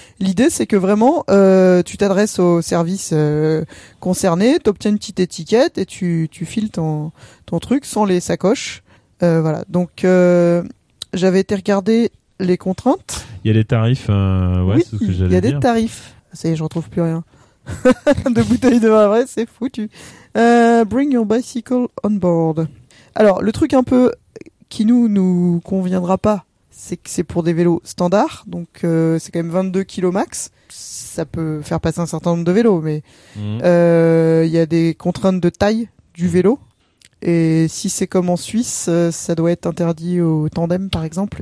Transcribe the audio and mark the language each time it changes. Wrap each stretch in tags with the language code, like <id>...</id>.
<fr>L'idée, c'est que vraiment, tu t'adresses au service concerné, tu obtiens une petite étiquette et tu files ton truc sans les sacoches. Voilà, donc j'avais été regarder les contraintes. Il y a des tarifs, ouais, oui, c'est ce que j'allais dire. Il y a des tarifs. Ça y est, je retrouve plus rien. De bouteilles de vin, ouais, c'est foutu.</fr> <en>Bring your bicycle on board.</en> <fr>Alors, le truc un peu qui nous conviendra pas, c'est que c'est pour des vélos standards, donc c'est quand même 22 kilos max. Ça peut faire passer un certain nombre de vélos, mais il y a des contraintes de taille du vélo. Et si c'est comme en Suisse, ça doit être interdit au tandem, par exemple.</fr>